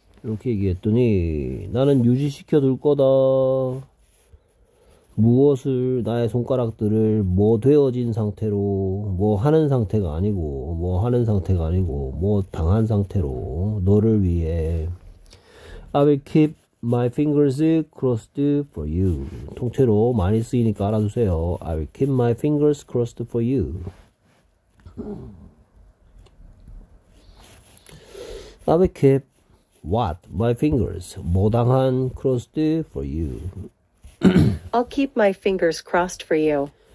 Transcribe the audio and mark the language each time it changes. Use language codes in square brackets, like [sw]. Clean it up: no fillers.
[ko] 이렇게 얘기했더니 나는 유지시켜둘 거다. 무엇을, 나의 손가락들을, 뭐 되어진 상태로, 뭐 하는 상태가 아니고, 뭐 하는 상태가 아니고, 뭐 당한 상태로, 너를 위해. [en] I will keep my fingers crossed for you. [ko] 통째로 많이 쓰이니까 알아두세요. [en] I will keep my fingers crossed for you. [ko] 뭐 당한 [en] crossed for you. I'll keep my fingers crossed for you.